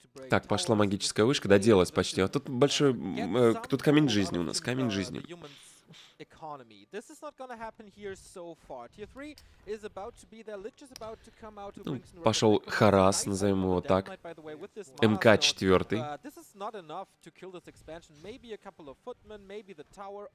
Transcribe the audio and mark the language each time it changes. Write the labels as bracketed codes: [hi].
[ru] Так, пошла магическая вышка, доделалась почти. А тут большой... тут камень жизни у нас, камень жизни. [en] Economy. This is not going to happen here so far. Tier 3 is about to be there. Lich is about to come out. [ru] Ну, пошел Харас, назовем его так. МК 4. [en] This is not enough to kill this expansion. Maybe a couple of footmen, maybe the tower.